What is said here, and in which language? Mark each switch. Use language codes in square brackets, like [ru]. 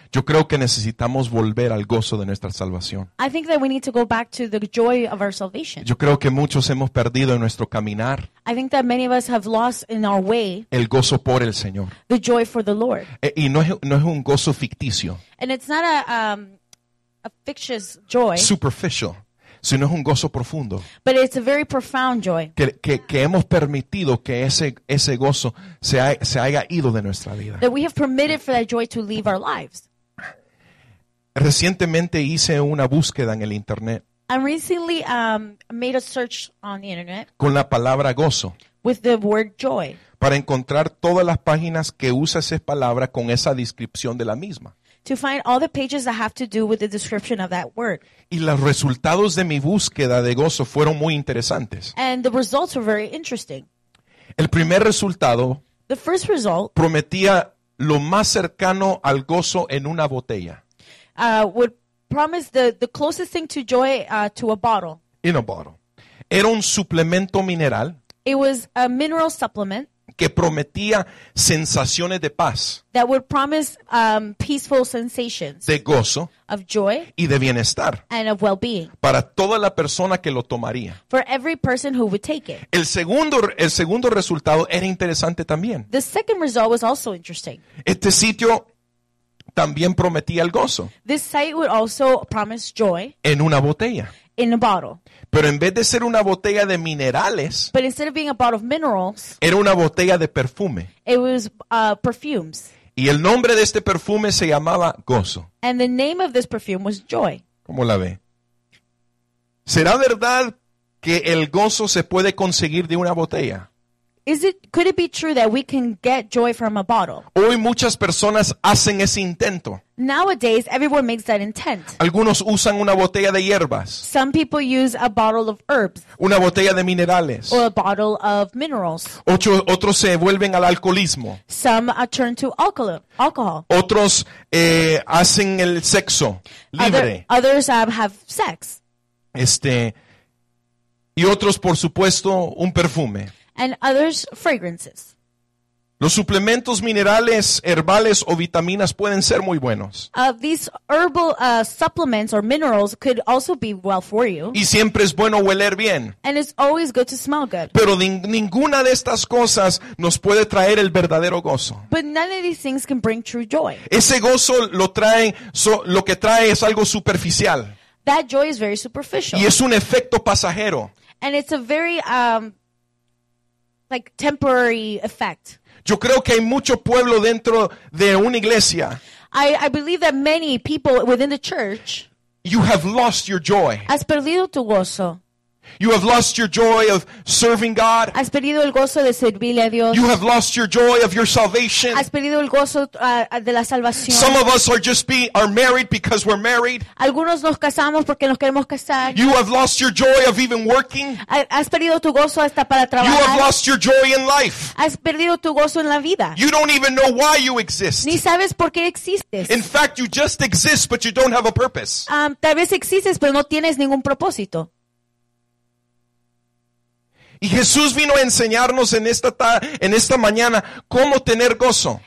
[es] Yo creo que necesitamos volver al gozo de nuestra salvación. [en] I think that we need to go back to the joy of our salvation. [es] Yo creo que muchos hemos perdido en nuestro caminar. [en] I think that many of us have lost in our way. [es] El gozo por el Señor. [en] The joy for the Lord. [es] Y no es un gozo ficticio. [en] And it's not a fictitious joy. [es] Superficial. Sino es un gozo profundo. [en] But it's a very profound joy. [es] Que hemos permitido que ese gozo se haya ido de nuestra vida. [en] That we have permitted for that joy to leave our lives. [es] Recientemente hice una búsqueda en el internet. [en] I recently made a search on the internet. [es] Con la palabra gozo. [en] With the word joy. [es] Para encontrar todas las páginas que usa esa palabra con esa descripción de la misma. [en] To find all the pages that have to do with the description of that word. [es] Y los resultados de mi búsqueda de gozo fueron muy interesantes. [en] And the results were very interesting. [es] El primer resultado. [en] The first result. [es] Prometía lo más cercano al gozo en una botella. [en] Would promise the closest thing to joy to a bottle. In a bottle. [es] Era un suplemento mineral. [en] It was a mineral supplement. [es] Que prometía sensaciones de paz. [en] That would promise peaceful sensations. [es] De gozo. [en] Of joy. [es] Y de bienestar. [en] And of well-being. [es] Para toda la persona que lo tomaría. [en] For every person who would take it. [es] El segundo resultado era interesante también. [en] The second result was also interesting. [es] Este sitio también prometía el gozo. [en] This site would also promise joy. [es] En una botella. [en] In a bottle. [es] Pero en vez de ser una botella de minerales, [en] but instead of being a bottle of minerals, [es] era una botella de perfume. [en] It was perfumes. [es] Y el nombre de este perfume se llamaba Gozo. [en] And the name of this perfume was Joy. [es] ¿Cómo la ve? ¿Será verdad que el gozo se puede conseguir de una botella? [en] Could it be true that we can get joy from a bottle? [es] Hoy muchas personas hacen ese intento. [en] Nowadays, everyone makes that intent. [es] Algunos usan una botella de hierbas. [en] Some people use a bottle of herbs. [es] Una botella de minerales. [en] Or a bottle of minerals. [es] Otros se vuelven al alcoholismo. [en] Some turn to alcohol. [es] Otros hacen el sexo libre. [en] Others have sex. [es] Y otros, por supuesto, un perfume. [en] And others, fragrances. [es] Los suplementos minerales, herbales o vitaminas pueden ser muy buenos. [en] These herbal supplements or minerals could also be well for you. [es] Y siempre es bueno oler bien. [en] And it's always good to smell good. [es] Pero ninguna de estas cosas nos puede traer el verdadero gozo. [en] But none of these things can bring true joy. [es] Ese gozo lo que trae es algo superficial. [en] That joy is very superficial. [es] Y es un efecto pasajero. [en] And it's a very like temporary effect. [es] Yo creo que hay mucho pueblo dentro de una iglesia. [en] I believe that many people within the church. You have lost your joy. [es] Has perdido tu gozo. [en] You have lost your joy of serving God. [es] Has perdido el gozo de servirle a Dios. [en] You have lost your joy of your salvation. [es] Has perdido el gozo de la salvación. [en] Some of us are married because we're married. [es] Algunos nos casamos porque nos queremos casar. [en] You have lost your joy of even working. [es] Has perdido tu gozo hasta para trabajar. [en] You have lost your joy in life. [es] Has perdido tu gozo en la vida. [en] You don't even know why you exist. [es] Ni sabes por qué existes. [en] In fact, you just exist, but you don't have a purpose. [es] Tal vez existes, pero no tienes ningún propósito. Y Jesús vino a enseñarnos en esta mañana cómo tener gozo.